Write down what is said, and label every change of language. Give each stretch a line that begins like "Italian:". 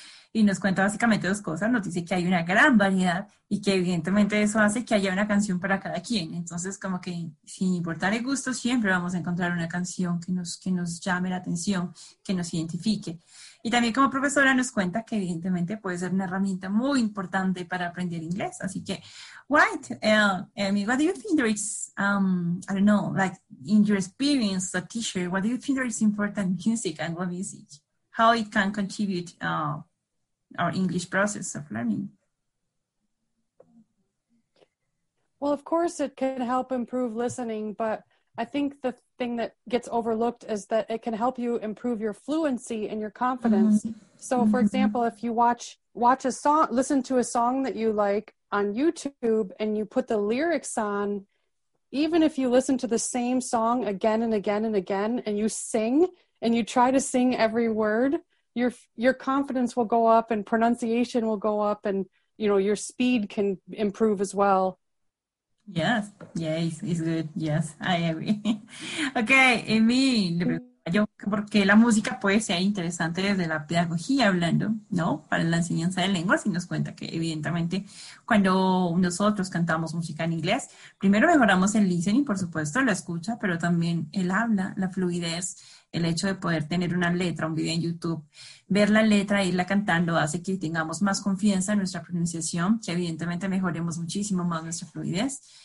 Spanish: Y nos cuenta básicamente dos cosas. Nos dice que hay una gran variedad y que evidentemente eso hace que haya una canción para cada quien. Entonces, como que sin importar el gusto, siempre vamos a encontrar una canción que nos llame la atención, que nos identifique. Y también como profesora nos cuenta que evidentemente puede ser una herramienta muy importante para aprender inglés. Así que,
English: what do you think there is, I don't know, like in your experience as a teacher, what do you think there is important music, Anglo music? How it can contribute our English process of learning? Well, of course it can help improve listening, but I think the thing that gets overlooked is that it can help you improve your fluency and your confidence. Mm-hmm. So for example, if you watch a song, listen to a song that you like on YouTube and you put the lyrics on, even if you listen to the same song again and again and again, and you sing and you try to sing every word, your confidence will go up and pronunciation will go up and, you know, your speed can improve as well. Yes, it's good. Yes, I agree. Okay, Amy,
Spanish: yo porque la música puede ser interesante desde la pedagogía hablando, ¿no? Para la enseñanza de lenguas, y nos cuenta que evidentemente cuando nosotros cantamos música en inglés, primero mejoramos el listening, por supuesto, la escucha, pero también el habla, la fluidez, el hecho de poder tener una letra, un video en YouTube, ver la letra e irla cantando hace que tengamos más confianza en nuestra pronunciación, que evidentemente mejoremos muchísimo más nuestra fluidez.